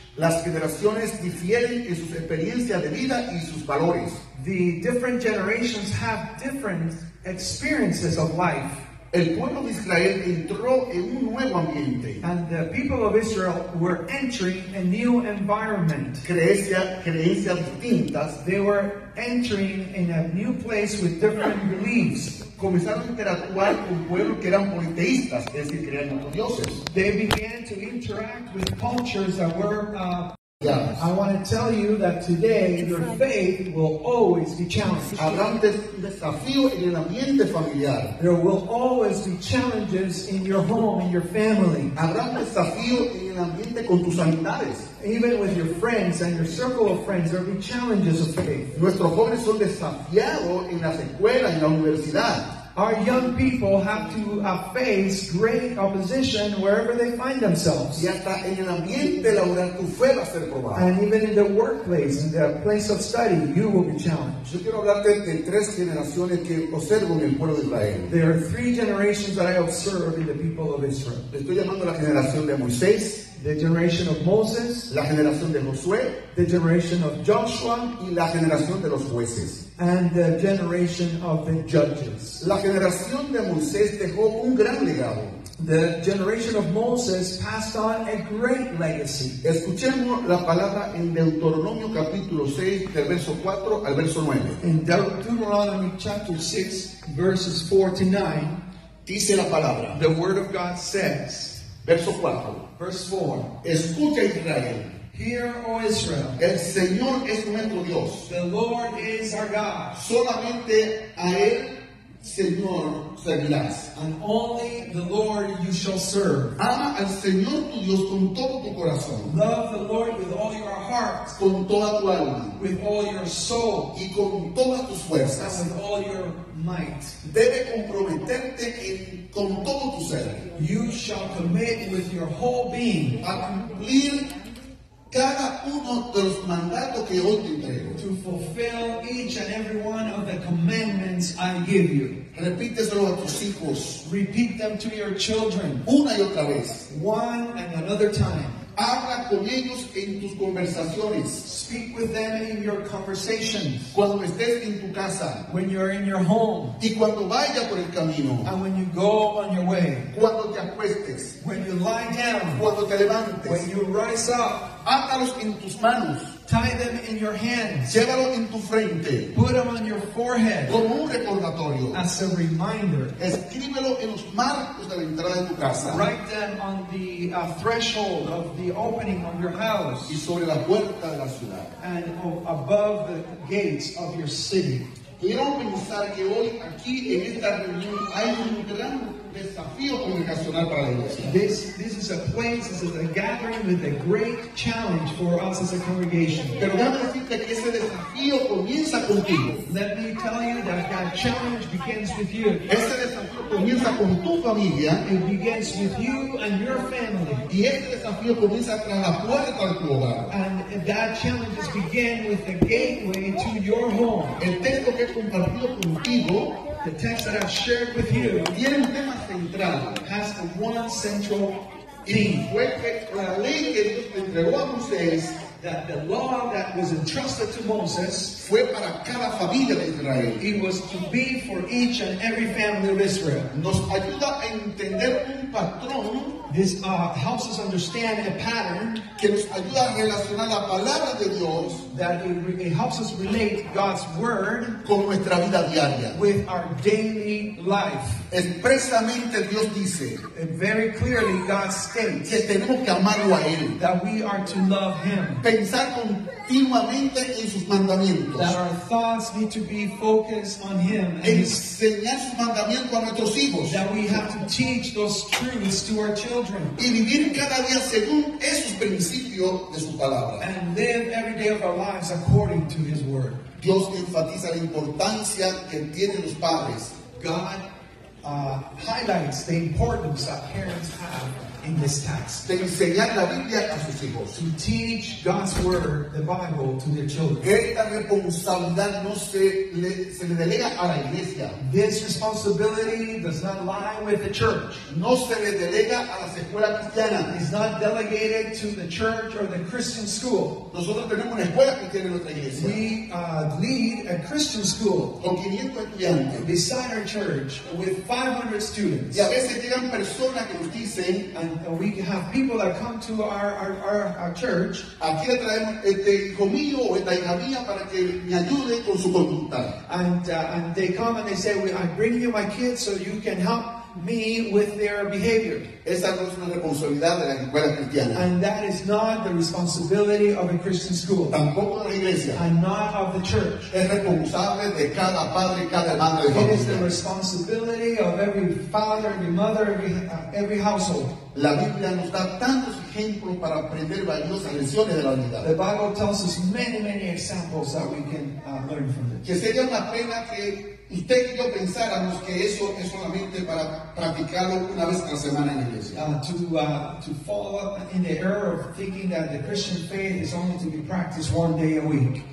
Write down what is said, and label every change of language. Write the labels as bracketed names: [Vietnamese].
[Spanish] Las generaciones difieren en sus experiencias de vida y sus valores. [English] The different generations have different experiences of life. [Spanish] El pueblo de Israel entró en un nuevo ambiente. [English] And the people of Israel were entering a new environment. [Spanish] Creencias distintas. [English] They were entering in a new place with different beliefs. [Spanish] Comenzaron a interactuar con pueblos que eran politeístas, es decir, creían otros dioses. [English] They began to interact with cultures that were I want to tell you that today your faith will always be challenged. There will always be challenges in your home, in your family. Even with your friends and your circle of friends, there will be challenges of faith. Our young people have to face great opposition wherever they find themselves. [Spanish] Y hasta en el ambiente laboral tu fe va a ser probada. [English] And even in the workplace, in the place of study, you will be challenged. [Spanish] Yo quiero hablarte de tres generaciones que observo en el pueblo de Israel. [English] There are three generations that I observe in the people of Israel. [Spanish] Estoy llamando la generación de Moisés. [English] The generation of Moses. [Spanish] La generación de Josué. [English] The generation of Joshua. [Spanish] Y la generación de los jueces. [English] And the generation of the judges. [Spanish] La generación de Moisés dejó un gran legado. [English] The generation of Moses passed on a great legacy. [Spanish] Escuchemos la palabra en Deuteronomio capítulo 6, del verso 4 al verso 9. [English] In Deuteronomy chapter 6, verses 4 to 9, [Spanish] dice la palabra. [English] The word of God says, [Spanish] verso 4. [English] Verse 4. [Spanish] Escucha Israel. [English] Hear, O Israel. [Spanish] El Señor es nuestro Dios. [English] The Lord is our God. [Spanish] Solamente a Él, Señor, servirás. [English] And only the Lord you shall serve. [Spanish] Ama al Señor tu Dios con todo tu corazón. [English] Love the Lord with all your heart. [Spanish] Con toda tu alma. [English] With all your soul. [Spanish] Y con todas tus fuerzas. [English] And with all your might. [Spanish] Debe comprometerte con todo tu ser. [English] You shall commit with your whole being. [Spanish] A cumplir cada uno de los mandatos que hoy te entrego. [English] To fulfill each and every one of the commandments I give you. [Spanish] Repíteselo a tus hijos. [English] Repeat them to your children. [Spanish] Una y otra vez. [English] One and another time. [Spanish] Habla con ellos en tus conversaciones. [English] Speak with them in your conversations. [Spanish] Cuando estés en tu casa. [English] When you're in your home. [Spanish] Y cuando vaya por el camino. [English] And when you go on your way. [Spanish] Cuando te acuestes. [English] When you lie down. [Spanish] Cuando te levantes. [English] When you rise up. [Spanish] Átalos en tus manos. [English] Tie them in your hands. [Spanish] Llévalo en tu frente. [English] Put them on your forehead. [Spanish] Como un recordatorio. [English] As a reminder. [Spanish] Escríbelo en los marcos de la entrada de tu casa. [English] Write them on the threshold of the opening of your house. [Spanish] Y sobre la puerta de la ciudad. [English] And above the gates of your city. [Spanish] Quiero pensar que hoy aquí en esta reunión hay un gran desafío comunicacional para la iglesia. [English] This is a place, this is a gathering with a great challenge for us as a congregation. [Spanish] Pero déjame decirte que ese desafío comienza contigo. [English] Let me tell you that that challenge begins with you. [Spanish] Ese desafío comienza con tu familia. [English] It begins with you and your family. [Spanish] Y ese desafío comienza tras la puerta de tu hogar. [English] And that challenge begins with the gateway to your home. [Spanish] El texto que he compartido contigo. [English] The text that I've shared with you [Spanish] tiene un tema central, [English] has the one central theme. [Spanish] Fue que la ley que Dios entregó a Moisés, [English] that the law that was entrusted to Moses, [Spanish] fue para cada familia de Israel. [English] It was to be for each and every family of Israel. [Spanish] Nos ayuda a entender un patrón. [English] This helps us understand a pattern [Spanish] que nos ayuda a relacionar la palabra de Dios, [English] that it helps us relate God's word [Spanish] con nuestra vida diaria, [English] with our daily life. [Spanish] Expresamente Dios dice, [English] and very clearly God states, [Spanish] que tenemos que amarlo a Él, [English] that we are to love Him. [Spanish] Pensar continuamente en sus mandamientos, [English] that our thoughts need to be focused on Him. [Spanish] Enseñar sus mandamientos a nuestros hijos, [English] that we have to teach those truths to our children. [Spanish] Y vivir cada día según esos principios de su palabra. [English] And live every day of our lives according to His word. [Spanish] Dios enfatiza la importancia que tienen los padres. [English] God highlights the importance that parents have in this text. [Spanish] De enseñar la Biblia a sus hijos. [English] To teach God's word, the Bible, to their children. [Spanish] Esta responsabilidad no se le delega a la iglesia. [English] This responsibility does not lie with the church. [Spanish] No se le delega a las escuelas cristianas. [English] It's not delegated to the church or the Christian school. [Spanish] Nosotros tenemos una escuela cristiana en nuestra iglesia. [English] We lead a Christian school [Spanish] con 500 estudiantes. [English] Beside our church with 500 students. [Spanish] Y a veces llegan personas que nos dicen, [English] and we have people that come to our church. [Spanish] Aquí le traemos este hijo mío o esta hija mía para que me ayude con su conducta. [English] And they come and they say, well, I bring you my kids so you can help me with their behavior. [Spanish] Esa no es una responsabilidad de la escuela cristiana. [English] And that is not the responsibility of a Christian school. [Spanish] Tampoco de la iglesia. [English] And not of the church. [Spanish] Es responsable de cada padre y cada madre. [English] It is the responsibility of every father, every mother, every household. [Spanish] La Biblia nos da tantos ejemplos para aprender valiosas lecciones de la unidad. [English] The Bible tells us many, many examples that we can learn from it. [Spanish] Que sería una pena que usted y yo pensáramos que eso es solamente para practicarlo una vez por semana en la iglesia. [English] To fall in the error of thinking that the Christian faith is only to be practiced one day a week.